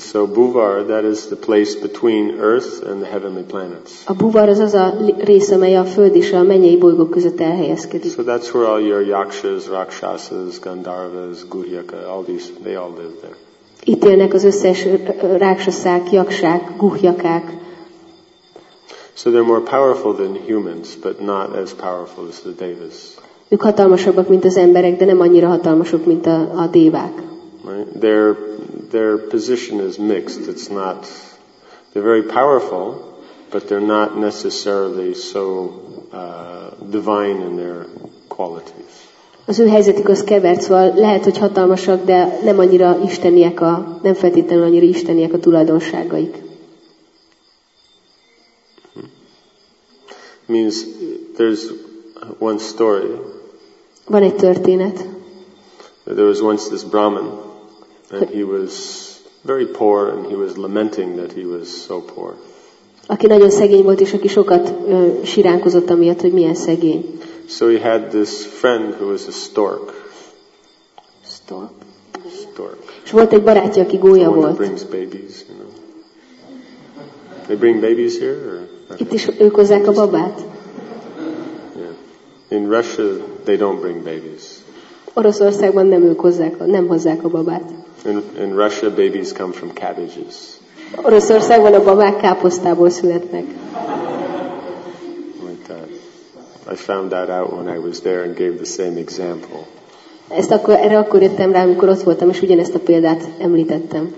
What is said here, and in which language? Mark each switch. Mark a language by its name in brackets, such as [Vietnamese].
[English] So Buvar, that is the place between Earth and the heavenly planets. [Hungarian] A Buvar az a rész, amely a Föld és a mennyei bolygók között elhelyezkedik. [English] So that's where all your yakshas, rakshasas, gandharvas, guhyaka, all these, they all live there. [Hungarian] Itt élnek az összes rakshasák, yakshák, guhyakák. [English] So they're more powerful than humans, but not as powerful as the devas. [Hungarian] Ők hatalmasabbak, mint az emberek, de nem annyira hatalmasok, mint a dévák. [English] Right. Their position is mixed. It's not, they're very powerful, but they're not necessarily so divine in their qualities. [Hungarian] Az ő helyzetük az kevert, szóval lehet, hogy hatalmasak, de nem annyira isteniek nem feltétlenül annyira isteniek a tulajdonságaik. [English] Means there's one story. [Hungarian] Van egy történet. [English] There was once this Brahmin. And he was very poor, and he was lamenting that he was so poor. [Hungarian] Aki nagyon szegény volt, és aki sokat siránkozott amiatt, hogy milyen szegény. [English] So he had this friend who was a stork. Stork. [Hungarian] És volt egy barátja, aki gólya volt. [English] Someone brings babies, you know. They bring babies here? Or? [Hungarian] Okay. Itt is ők hozzák a babát. [English] Yeah. In Russia, they don't bring babies. [Hungarian] Oroszországban nem hozzák a babát. [English] In Russia, babies come from cabbages. [Hungarian] Oroszországban a babák káposztából születnek. [English] Like that. I found that out when I was there and gave the same example. [Hungarian] Ezt akkor, erre akkor jöttem rá, amikor ott voltam, és ugyanezt a példát említettem.